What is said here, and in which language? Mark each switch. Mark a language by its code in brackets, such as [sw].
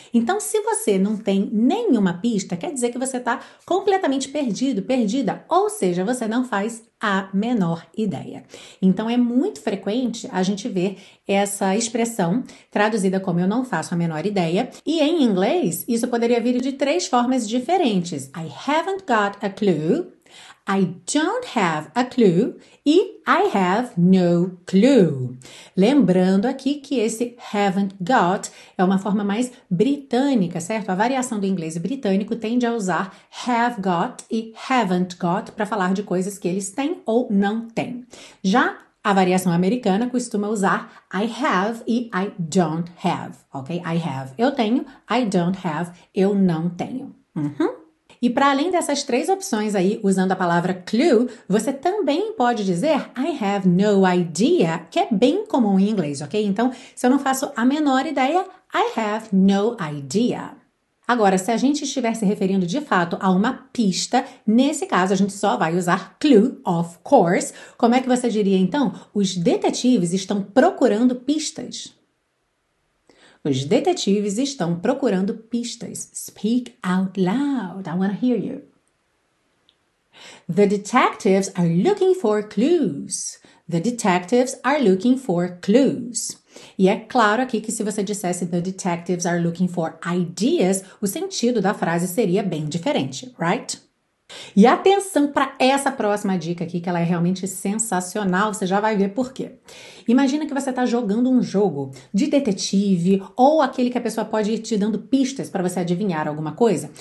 [pt] Então, se você não tem nenhuma pista, quer dizer que você está completamente perdido, perdida. Ou seja, você não faz a menor ideia. Então, é muito frequente a gente ver essa expressão traduzida como eu não faço a menor ideia. E em inglês, isso poderia vir de três formas diferentes. [en] I haven't got a clue, I don't have a clue e I have no clue. [pt] Lembrando aqui que esse haven't got é uma forma mais britânica, certo? A variação do inglês britânico tende a usar have got e haven't got para falar de coisas que eles têm ou não têm. Já a variação americana costuma usar I have e I don't have, ok? [en] I have, [pt] eu tenho, [en] I don't have, [pt] eu não tenho. E para além dessas três opções aí, usando a palavra clue, você também pode dizer [en] I have no idea, [pt] que é bem comum em inglês, ok? Então, se eu não faço a menor ideia, [en] I have no idea. [pt] Agora, se a gente estiver se referindo de fato a uma pista, nesse caso a gente só vai usar clue, [en] of course. [pt] Como é que você diria então? Os detetives estão procurando pistas. Os detetives estão procurando pistas. [en] Speak out loud. I want to hear you. The detectives are looking for clues. The detectives are looking for clues. [pt] E é claro aqui que se você dissesse [en] the detectives are looking for ideas, [pt] o sentido da frase seria bem diferente, [en] right? [pt] E atenção para essa próxima dica aqui, que ela é realmente sensacional, você já vai ver por quê. Imagina que você está jogando um jogo de detetive ou aquele que a pessoa pode ir te dando pistas para você adivinhar alguma coisa.